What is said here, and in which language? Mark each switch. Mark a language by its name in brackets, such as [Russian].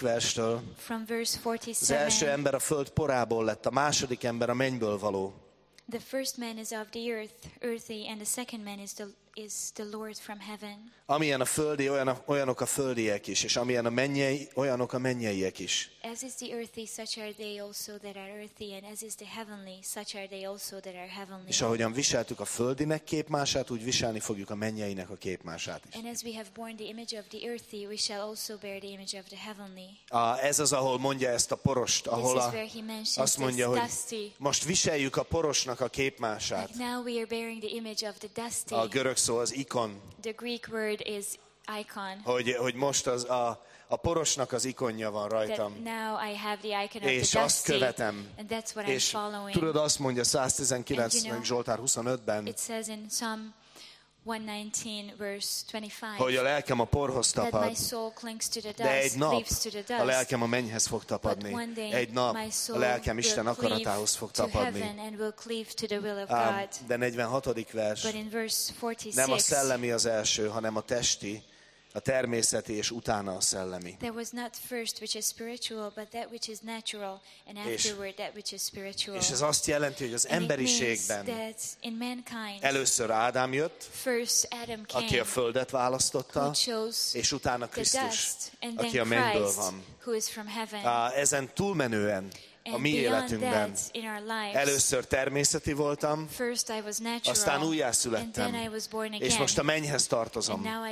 [Hungarian] verstől az első ember a föld porából lett, a második ember a mennyből való. [English] The first man is of the earth, earthy, and the second man is the Lord from heaven. [Hungarian] Amilyen a földi, olyanok a földiek is, és amilyen a mennyei, olyanok a mennyeiek is. [English] As is the earthy, such are they also that are earthy, and as is the heavenly, such are they also that are heavenly. [Hungarian] És ahogyan viseltük a földinek képmását, úgy viselni fogjuk a mennyeinek a képmását is. [English] And as we have borne the image of the earthy, we shall also bear the image of the heavenly. [Hungarian] Ez az, ahol mondja ezt a porost, ahol azt mondja, hogy most viseljük a porosnak a képmását. [English] Like now we are bearing the image of the dusty. [Hungarian] Szó az ikon. [English] The Greek word is icon. [Hungarian] Hogy most az a porosnak az ikonja van rajtam. [English] That now I have the icon of the dusty. [Hungarian] És azt követem. [English] And that's what [Hungarian] és [English] I'm following. [Hungarian] Tudod, azt mondja 119. [English] You know, [Hungarian] Zsoltár 25-ben. [English] It says in Psalm 119 verse 25. [Hungarian] Hogy a lelkem a porhoz tapad. [English] That my soul clings to the dust, [Hungarian] de egy nap [English] cleaves to the dust. [Hungarian] A lelkem a mennyhez fog tapadni. [English] But one day, [Hungarian] egy nap [English] my soul [Hungarian] a lelkem Isten akaratához fog tapadni. [English] And will cleave to the will of God. [Hungarian] De 46. vers. [English] But in verse 46, [Hungarian] nem a szellemi az első, hanem a testi, a természeti és utána a szellemi. [English] There was not first which is spiritual, but that which is natural, and afterward that which is spiritual. [Hungarian] És ez azt jelenti, hogy az emberiségben először Ádám jött, [English] first Adam came, [Hungarian] aki a földet választotta, és utána Krisztus, [English] dust, and [Hungarian] aki a mennyből van. [English] Who is from heaven. [Hungarian] Ezen túlmenően a mi életünkben először természeti voltam, aztán újjászülettem, és most a mennyhez tartozom.